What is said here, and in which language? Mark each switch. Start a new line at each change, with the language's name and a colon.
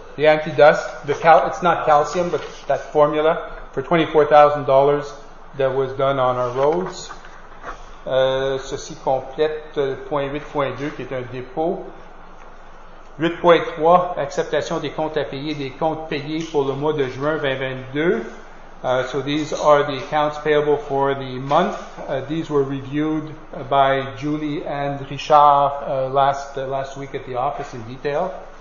English: The anti-dust, it's not calcium, but that formula, for $24,000 that was done on our roads.
French: Ceci complète le point 8.2 qui est un dépôt. 8.3, acceptation des comptes à payer, des comptes payés pour le mois de juin 2022.
English: So these are the accounts payable for the month. These were reviewed by Julie and Richard last week at the office in detail.